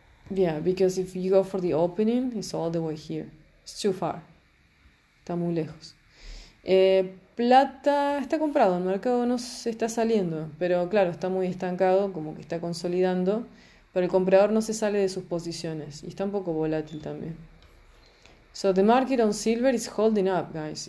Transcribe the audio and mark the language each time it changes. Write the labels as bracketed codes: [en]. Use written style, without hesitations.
[en] Yeah, because if you go for the opening, it's all the way here. It's too far. [es] Está muy lejos. Plata está comprado, el mercado no se está saliendo, pero claro, está muy estancado, como que está consolidando, pero el comprador no se sale de sus posiciones y está un poco volátil también. [en] So the market on silver is holding up, guys.